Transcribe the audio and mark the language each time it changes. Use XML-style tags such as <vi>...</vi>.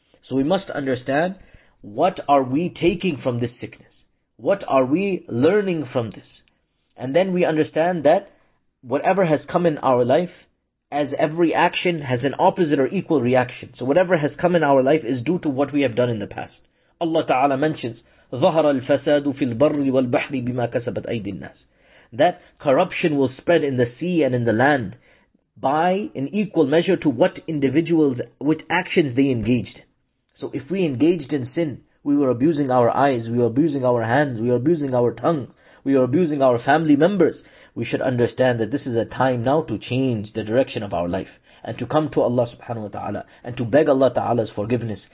<en>So we must understand, what are we taking from this sickness? What are we learning from this? And then we understand that whatever has come in our life, as every action has an opposite or equal reaction. So whatever has come in our life is due to what we have done in the past. Allah Ta'ala mentions,</en> <ar>ظَهَرَ الْفَسَادُ فِي الْبَرِّ وَالْبَحْرِ بِمَا كَسَبَتْ أَيْدِ النَّاسِ.</ar> <en>That corruption will spread in the sea and in the land by an equal measure to what individuals, what actions they engaged. So if we engaged in sin, we were abusing our eyes, we were abusing our hands, we were abusing our tongue, we were abusing our family members, we should understand that this is a time now to change the direction of our life and to come to Allah subhanahu wa ta'ala and to beg Allah ta'ala's forgiveness.</en>